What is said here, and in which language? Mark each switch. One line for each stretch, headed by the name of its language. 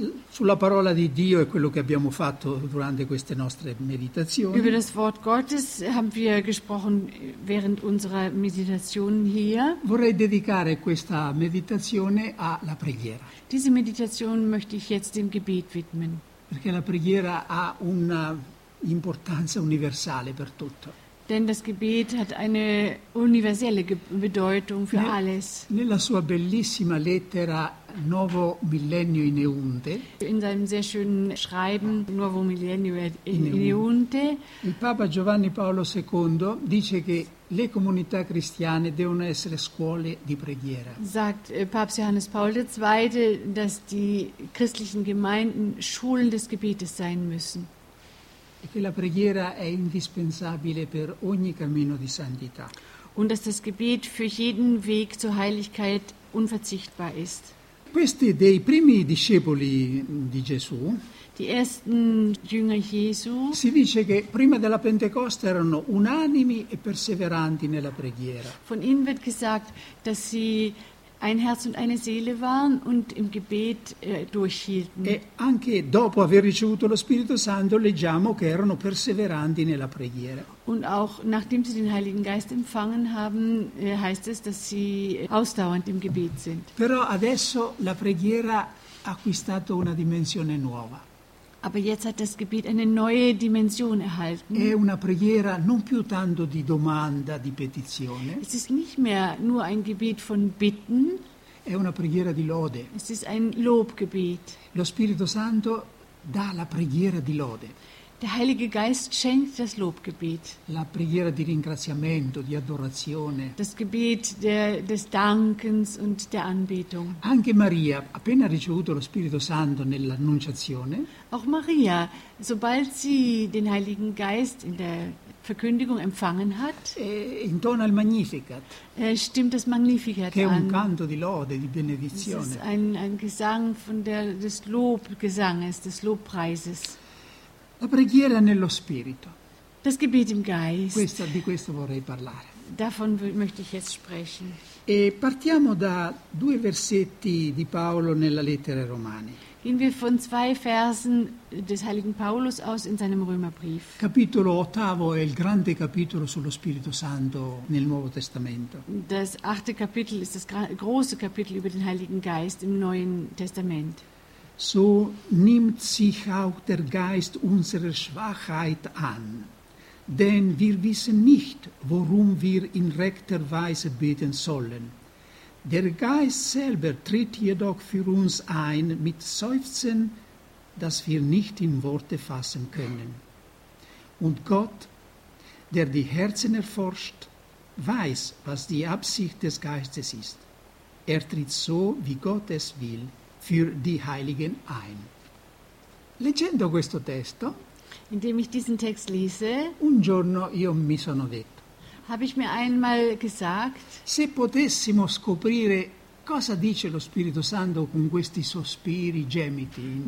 Italian: Sulla parola di Dio è quello che abbiamo fatto durante queste nostre meditazioni.
German: Über das Wort Gottes haben wir gesprochen während unserer Meditationen hier.
Italian: Vorrei dedicare questa meditazione alla preghiera.
German: Diese Meditation möchte ich jetzt dem Gebet widmen.
Italian: Perché la preghiera ha una importanza universale per tutto.
German: Denn das Gebet hat eine universelle Bedeutung für alles.
Italian: Nella sua bellissima lettera Novo Millennio in Eunte.
German: In seinem sehr schönen Schreiben Novo Millennio in Eunte.
Italian: Il Papa Giovanni Paolo II dice che le comunità cristiane devono essere scuole di preghiera.
German: Sagt Papst Johannes Paul II, dass die christlichen Gemeinden Schulen des Gebetes sein müssen.
Italian: E che la preghiera è indispensabile per ogni cammino di santità.
German: Und dass das Gebet für jeden Weg zur Heiligkeit unverzichtbar ist.
Italian: Questi dei primi discepoli di Gesù.
German: Die ersten Jünger Jesu.
Italian: Si dice che prima della Pentecoste erano unanimi e perseveranti nella preghiera.
German: Von ihnen wird gesagt, dass sie ein Herz und eine Seele waren und im Gebet durchhielten.
Italian: E anche dopo aver ricevuto lo Spirito Santo leggiamo che erano perseveranti nella preghiera.
German: Und auch nachdem sie den Heiligen Geist empfangen haben, heißt es, dass sie ausdauernd im Gebet sind.
Italian: Però adesso la preghiera ha acquistato una dimensione nuova.
German: Aber jetzt hat das Gebet eine neue Dimension erhalten.
Italian: È una preghiera non più tanto di domanda, di petizione.
German: Es ist nicht mehr nur ein Gebet von Bitten.
Italian: È una preghiera di lode.
German: Es ist ein Lobgebet.
Italian: Lo Spirito Santo dà la preghiera di lode.
German: Der Heilige Geist schenkt das Lobgebet.
Italian: La preghiera di ringraziamento, di adorazione.
German: Das Gebet des Dankens und der Anbetung.
Italian: Anche Maria, appena ricevuto lo Spirito Santo nell'Annunciazione.
German: Auch Maria, sobald sie den Heiligen Geist in der Verkündigung empfangen hat,
Italian: intona il Magnificat.
German: Stimmt das Magnificat an.
Italian: Che è un canto di lode, di benedizione.
German: Es ist ein Gesang von des Lobgesanges, des Lobpreises.
Italian: La preghiera nello spirito.
German: Das Gebet im Geist.
Italian: Di questo vorrei parlare.
German: Davon möchte ich jetzt sprechen.
Italian: E partiamo da due versetti di Paolo nella lettera ai Romani.
German: Gehen wir von zwei Versen des heiligen Paulus aus in seinem Römerbrief.
Italian: Capitolo ottavo è il grande capitolo sullo Spirito Santo nel Nuovo Testamento.
German: Das achte Kapitel ist das große Kapitel über den Heiligen Geist im Neuen Testament. So nimmt sich auch der Geist unserer Schwachheit an, denn wir wissen nicht, worum wir in rechter Weise beten sollen. Der Geist selber tritt jedoch für uns ein mit Seufzen, das wir nicht in Worte fassen können. Und Gott, der die Herzen erforscht, weiß, was die Absicht des Geistes ist. Er tritt so, wie Gott es will, für die Heiligen ein.
Italian: Leggendo questo testo,
German: indem ich diesen Text lese,
Italian: un giorno io mi sono detto,
German: habe ich mir einmal gesagt,
Italian: se potessimo scoprire cosa dice lo Spirito Santo con questi sospiri, gemiti,